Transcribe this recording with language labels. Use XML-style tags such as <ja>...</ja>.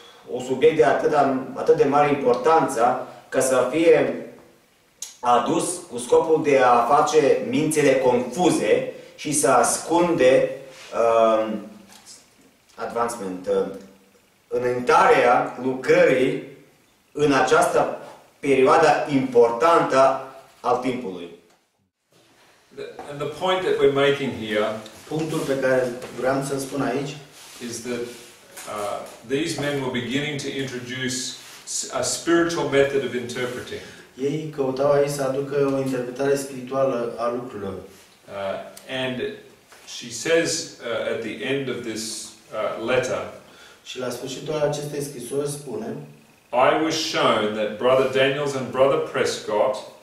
<ro>un subiect de atât de mare importanță ca să fie adus cu scopul de a face mințile confuze și să ascunde advancement, înaintarea lucrării în această perioadă importantă al timpului.</ro> <en>And the point that we're making here,</en> <ro>punctul pe care vreau să-l spun aici,</ro> <en>is that these men were beginning to introduce a spiritual method of interpreting.</en> <ro>Ei căutau aici să aducă o interpretare spirituală a lucrurilor.</ro> <en>And she says at the end of this letter.</en> <ro>Și la sfârșitul acestei scrisori spune:</ro> <en>I was shown that Brother Daniels and Brother Prescott.</en>